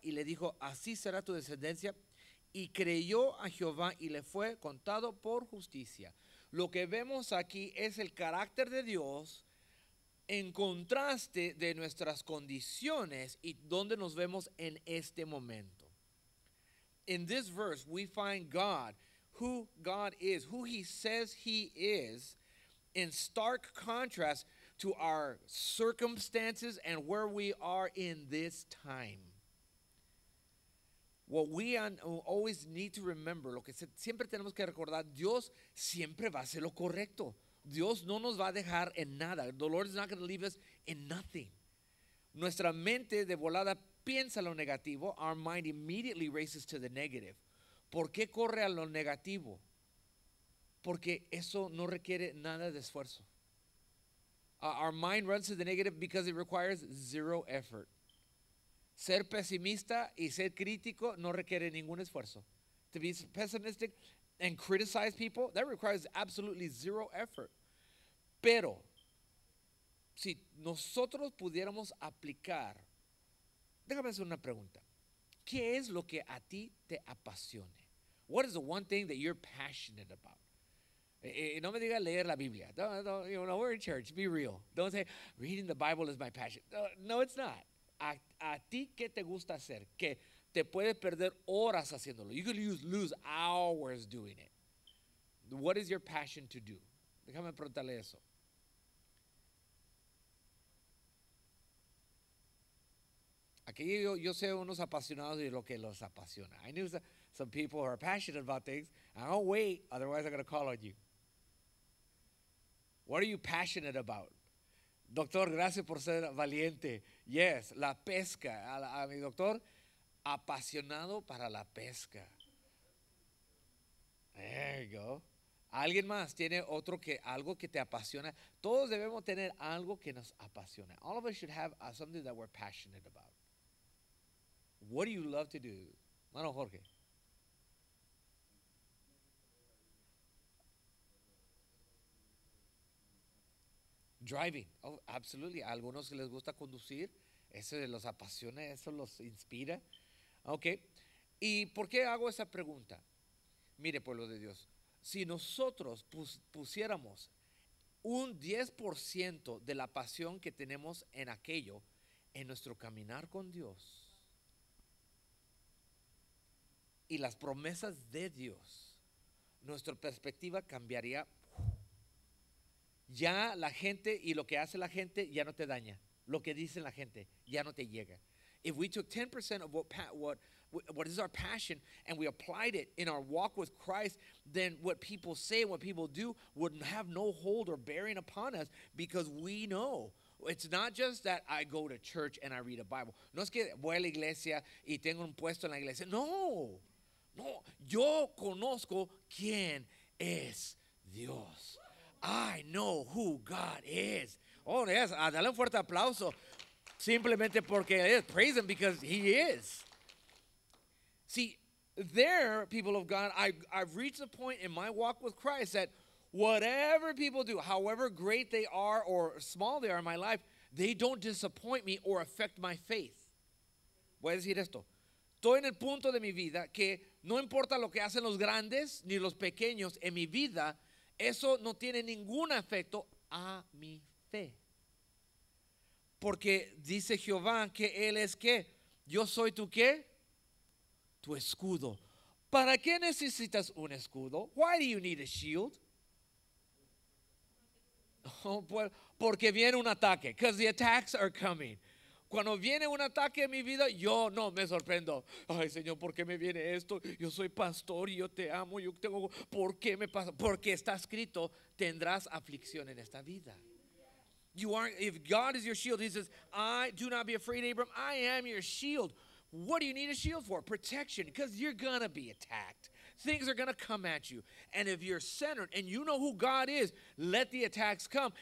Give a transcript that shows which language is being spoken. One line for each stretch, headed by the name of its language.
Spanish: Y le dijo, así será tu descendencia. Y creyó a Jehová y le fue contado por justicia. Lo que vemos aquí es el carácter de Dios en contraste de nuestras condiciones y donde nos vemos en este momento.
English: In this verse, we find God, who God is, who he says he is, in stark contrast to our circumstances and where we are in this time. What we always need to remember,
Spanish: lo que siempre tenemos que recordar, Dios siempre va a hacer lo correcto. Dios no nos va a dejar en nada.
English: The Lord is not going to leave us in nothing.
Spanish: Nuestra mente de volada piensa lo negativo,
English: our mind immediately races to the negative.
Spanish: ¿Por qué corre a lo negativo? Porque eso no requiere nada de esfuerzo.
English: Our mind runs to the negative because it requires zero effort.
Spanish: Ser pesimista y ser crítico no requiere ningún esfuerzo.
English: To be pessimistic and criticize people, that requires absolutely zero effort.
Spanish: Pero si nosotros pudiéramos aplicar, déjame hacer una pregunta. ¿Qué es lo que a ti te apasione?
English: What is the one thing that you're passionate about?
Spanish: No me diga leer la Biblia.
English: No, we're in church. Be real. Don't say, reading the Bible is my passion. No, it's not.
Spanish: A ti, ¿qué te gusta hacer? Que te puedes perder horas haciéndolo.
English: You could lose hours doing it. What is your passion to do?
Spanish: Déjame preguntarle eso. Aquí yo sé unos apasionados de lo que los apasiona.
English: I knew some people who are passionate about things. I'll wait, otherwise I'm going to call on you. What are you passionate about? Doctor,
Spanish: gracias por ser valiente. Yes, la pesca. A mi doctor, apasionado para la pesca.
English: There you go.
Spanish: ¿Alguien más tiene otro que algo que te apasiona? Todos debemos tener algo que nos apasiona.
English: All of us should have something that we're passionate about. What do you love to do? Mano Jorge. Driving, oh, absolutely.
Spanish: A algunos que les gusta conducir, eso los apasiona, eso los inspira. Ok, ¿y por qué hago esa pregunta? Mire, pueblo de Dios, si nosotros pusiéramos un 10% de la pasión que tenemos en aquello, en nuestro caminar con Dios y las promesas de Dios, nuestra perspectiva cambiaría. Ya la gente y lo que hace la gente ya no te daña. Lo que dicen la gente ya no te llega.
English: If we took 10% of what is our passion and we applied it in our walk with Christ, then what people say, what people do would have no hold or bearing upon us because we know. It's not just that I go to church and I read a Bible.
Spanish: No es que voy a la iglesia y tengo un puesto en la iglesia. No. No. Yo conozco quién es Dios.
English: I know who God is. Oh, yes,
Spanish: dale un fuerte aplauso. Simplemente porque es.
English: Praise him because he is. See, there, people of God, I've reached a point in my walk with Christ that whatever people do, however great they are or small they are in my life, they don't disappoint me or affect my faith.
Spanish: Voy a decir esto. Estoy en el punto de mi vida que no importa lo que hacen los grandes ni los pequeños en mi vida, eso no tiene ningún efecto a mi fe. Porque dice Jehová que Él es ¿qué? Yo soy tu ¿qué? Tu escudo. ¿Para qué necesitas un escudo?
English: Why do you need a shield?
Spanish: Oh, pues, porque viene un ataque.
English: Because the attacks are coming.
Spanish: Cuando viene un ataque en mi vida, yo no me sorprendo. Ay, Señor, ¿por qué me viene esto? Yo soy pastor y yo te amo. Yo tengo. ¿Por qué me pasa? Porque está escrito, tendrás aflicción en esta vida.
English: You are, if God is your shield, he says, I do not be afraid, Abram. I am your shield. What do you need a shield for? Protection. Because you're going to be attacked. Things are going to come at you. And if you're centered and you know who God is, let the attacks come.